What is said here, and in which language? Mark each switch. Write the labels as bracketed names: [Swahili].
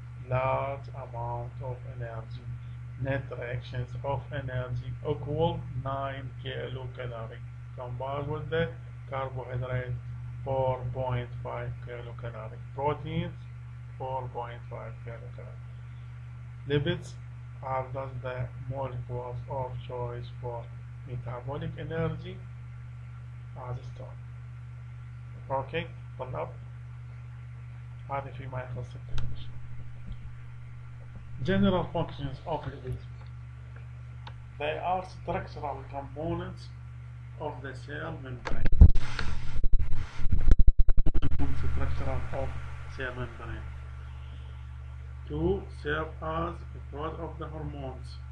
[English] Large amount of energy. Net reactions of energy equal 9 kilocalorie combined with the carbohydrate 4.5 kilocalorie. Proteins 4.5 kilocalorie. Lipids are thus the molecules of choice for metabolic energy as a store. [Arabic] Okay, طلاب, هذا فيما يخص التكنيشن. [English] General functions of lipids. They are structural components of the cell membrane. Of cell membrane. Two, serve as a part of the hormones.